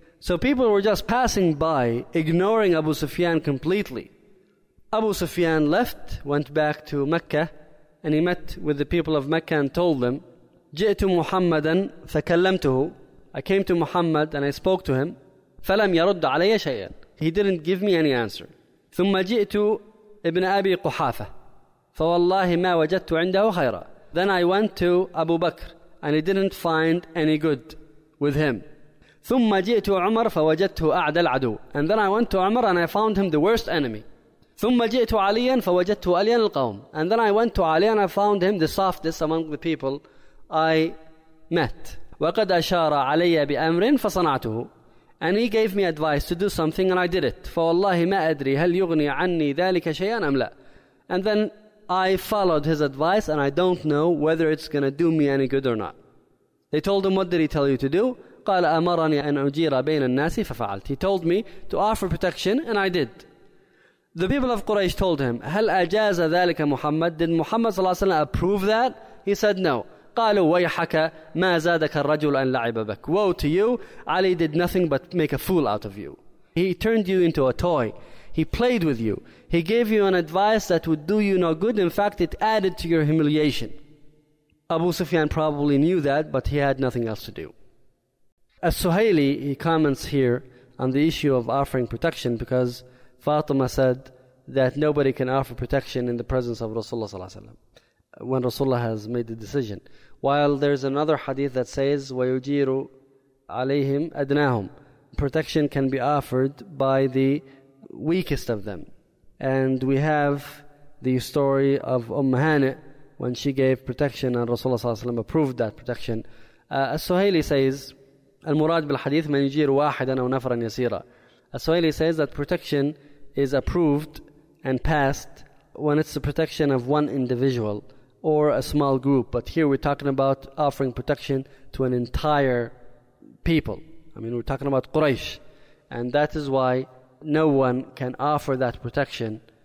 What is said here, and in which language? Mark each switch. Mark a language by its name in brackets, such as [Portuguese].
[English] So people were just passing by, ignoring Abu Sufyan completely. Abu Sufyan left, went back to Mecca, and he met with the people of Mecca and told them, [Arabic] جئت محمدا فكلمته. [English] I came to Muhammad and I spoke to him. [Arabic] فلم يرد علي شيئا. [English] He didn't give me any answer. [Arabic] ثم جئت ابن أبي قحافة. فَوَاللَّهِ مَا وَجَدْتُ عِنْدَهُ خَيْرًا. [English] Then I went to Abu Bakr, and he didn't find any good with him. [Arabic] ثم جئت عمر فوجدته أعدى العدو. [English] And then I went to Umar and I found him the worst enemy. [Arabic] ثم جئت عليا فوجدته ألين القوم. [English] And then I went to Ali and I found him the softest among the people I met. [Arabic] وقد أشار علي بأمر فصنعته. [English] And he gave me advice to do something and I did it. [Arabic] فوالله ما أدري هل يغني عني ذلك شيئا أم لا. [English] And then I followed his advice and I don't know whether it's going to do me any good or not. They told him, what did he tell you to do? [Arabic] قال أمرني أن أجير بين الناس ففعلت. [English] He told me to offer protection and I did. The people of Quraysh told him, [Arabic] هل أجاز ذلك محمد? [English] Did Muhammad [Arabic] صلى الله عليه وسلم [English] approve that? He said no. [Arabic] قالوا ويحك ما زادك الرجل أن لعب بك. [English] Woe to you, Ali did nothing but make a fool out of you. He turned you into a toy. He played with you. He gave you an advice that would do you no good. In fact, it added to your humiliation. Abu Sufyan probably knew that, but he had nothing else to do. As Suhaili, he comments here on the issue of offering protection because Fatima said that nobody can offer protection in the presence of Rasulullah sallallahu alaihi wasallam when Rasulullah has made the decision. While there is another hadith that says, [Arabic] وَيُجِيرُ عَلَيْهِمْ أَدْنَاهُمْ. [English] Protection can be offered by the weakest of them. And we have the story of Umm Hani when she gave protection and Rasulullah sallallahu alaihi wasallam approved that protection. As-Suhaili says, [Arabic] المراد بالحديث من يجير واحدا أو نفرا يسيرا. [English] As-Suhaili says that protection is approved and passed when it's the protection of one individual or a small group. But here we're talking about offering protection to an entire people. I mean, we're talking about Quraysh. And that is why no one can offer that protection.